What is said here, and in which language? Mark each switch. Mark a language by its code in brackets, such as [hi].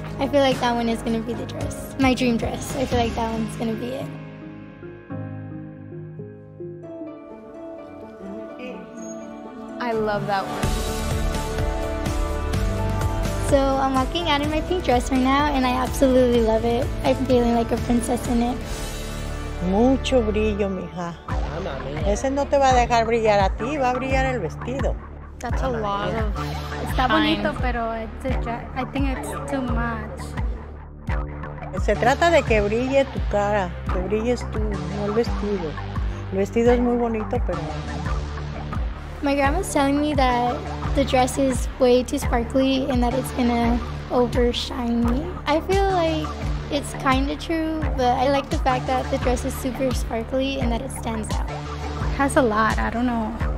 [en] I feel like that one is going to be the dress, my dream dress. I feel like that one's going to be it. I love that one. So I'm walking out in my pink dress right now, and I absolutely love it. I'm feeling like a princess in it. [es] Mucho brillo, mija. Ese no te va a dejar brillar a ti, va a brillar el vestido. [en] That's a lot of time. [es] Está bonito, pero [en] I think it's too much. [es] Se trata de que brille tu cara, que brilles tú, no el vestido. El vestido es muy bonito, pero... [en] My grandma's telling me that the dress is way too sparkly and that it's gonna overshine me. I feel like it's kind of true, but I like the fact that the dress is super sparkly and that it stands out. It has a lot, I don't know.